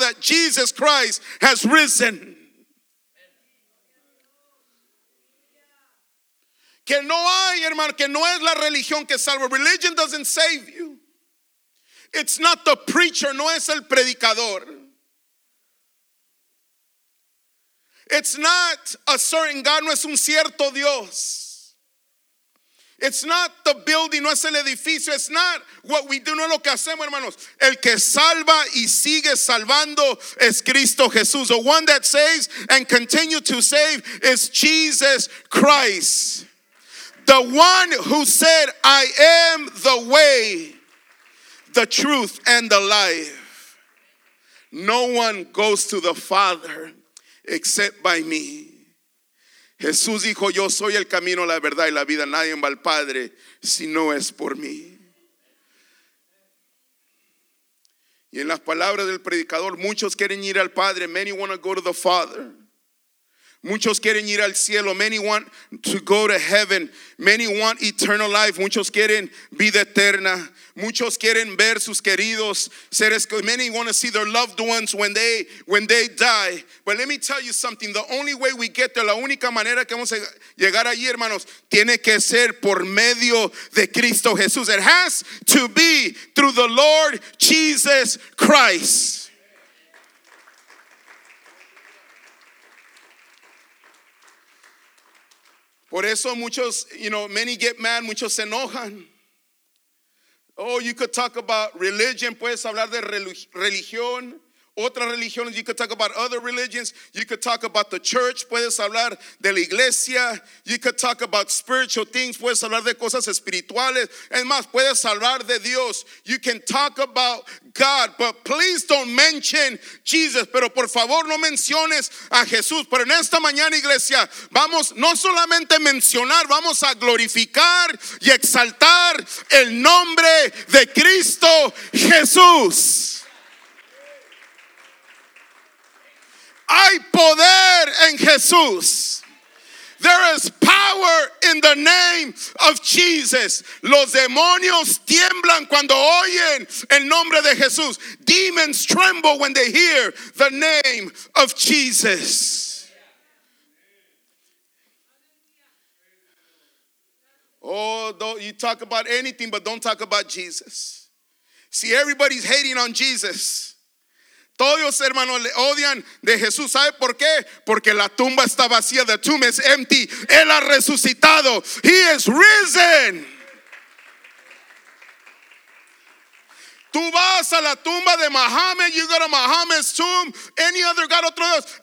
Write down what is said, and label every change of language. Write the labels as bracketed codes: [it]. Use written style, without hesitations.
[en] That Jesus Christ has risen. [es] Que no hay, hermano, que no es la religión que salva. [en] Religion doesn't save you. It's not the preacher, [es] no es el predicador. [en] It's not a certain God, [es] no es un cierto Dios. [en] It's not the building, [es] no es el edificio. [en] It's not what we do, [es] no es lo que hacemos, hermanos. El que salva y sigue salvando es Cristo Jesús. [en] The one that saves and continue to save is Jesus Christ. The one who said, I am the way, the truth, and the life. No one goes to the Father except by me. [es] Jesús dijo, yo soy el camino, la verdad y la vida. Nadie va al Padre si no es por mí. Y en las palabras del predicador, muchos quieren ir al Padre. [en] Many want to go to the Father. [es] Muchos quieren ir al cielo. [en] Many want to go to heaven. Many want eternal life. [es] Muchos quieren vida eterna. Muchos quieren ver sus queridos seres. [en] Many want to see their loved ones when they die. But let me tell you something. The only way we get there, [es] la única manera que vamos a llegar allí, hermanos, tiene que ser por medio de Cristo Jesús. [en] It has to be through the Lord Jesus Christ. [es] Por eso muchos, [en] you know, many get mad, [es] muchos se enojan. [en] Oh, you could talk about religion, [es] puedes hablar de religión, otras religiones, [en] you could talk about other religions, you could talk about the church, [es] puedes hablar de la iglesia, [en] you could talk about spiritual things, [es] puedes hablar de cosas espirituales, es más, puedes hablar de Dios, [en] you can talk about God, but please don't mention Jesus, [es] pero por favor no menciones a Jesús, pero en esta mañana iglesia, vamos no solamente a mencionar, vamos a glorificar y exaltar el nombre de Cristo Jesús. Hay poder en Jesús. [en] There is power in the name of Jesus. [es] Los demonios tiemblan cuando oyen el nombre de Jesús. [en] Demons tremble when they hear the name of Jesus. Oh, don't you talk about anything, but don't talk about Jesus. See, everybody's hating on Jesus. [es] Todos, hermanos, le odian de Jesús. ¿Sabe por qué? Porque la tumba está vacía. [en] The tomb is empty. [es] Él ha resucitado. [en] He is risen. [es] Tú vas a la tumba de Muhammad. [en] You go to Muhammad's tomb. Any other God, [es] otro Dios.